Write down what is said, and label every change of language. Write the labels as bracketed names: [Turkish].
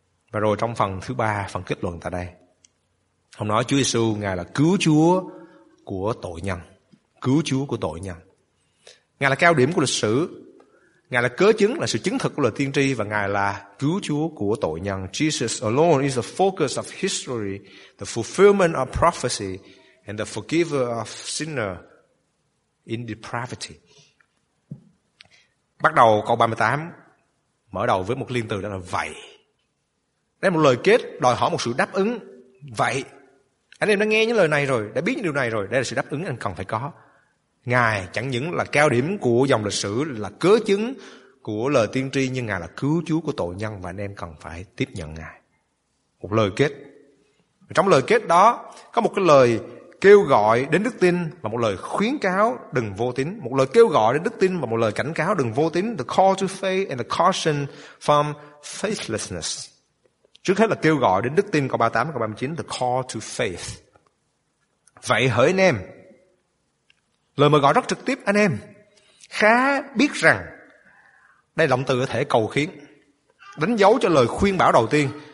[Vietnamese] Và rồi trong phần thứ ba, phần kết luận tại đây, ông nói Chúa Giêsu Ngài là cứu Chúa của tội nhân. Cứu Chúa của tội nhân. Ngài là cao điểm của lịch sử. Ngài là cớ chứng, là sự chứng thực của lời tiên tri. Và Ngài là cứu Chúa của tội nhân. [English] Jesus alone is the focus of history, the fulfillment of prophecy, and the forgiver of sinners in depravity. [Vietnamese] Bắt đầu câu 38 mở đầu với một liên từ đó là vậy. Đây là một lời kết đòi hỏi một sự đáp ứng. Vậy, anh em đã nghe những lời này rồi, đã biết những điều này rồi, đây là sự đáp ứng anh cần phải có. Ngài chẳng những là cao điểm của dòng lịch sử, là cớ chứng của lời tiên tri, nhưng Ngài là cứu Chúa của tội nhân và anh em cần phải tiếp nhận Ngài. Một lời kết. Trong lời kết đó có một cái lời kêu gọi đến đức tin và một lời khuyến cáo đừng vô tín. Một lời kêu gọi đến đức tin và một lời cảnh cáo đừng vô tín. [English] The call to faith and the caution from faithlessness. [Vietnamese] Trước hết là kêu gọi đến đức tin, câu 38, câu 39, [English] the call to faith. [Vietnamese] Vậy hỡi anh em, lời mời gọi rất trực tiếp anh em, khá biết rằng, đây là động từ có thể cầu khiến, đánh dấu cho lời khuyên bảo đầu tiên.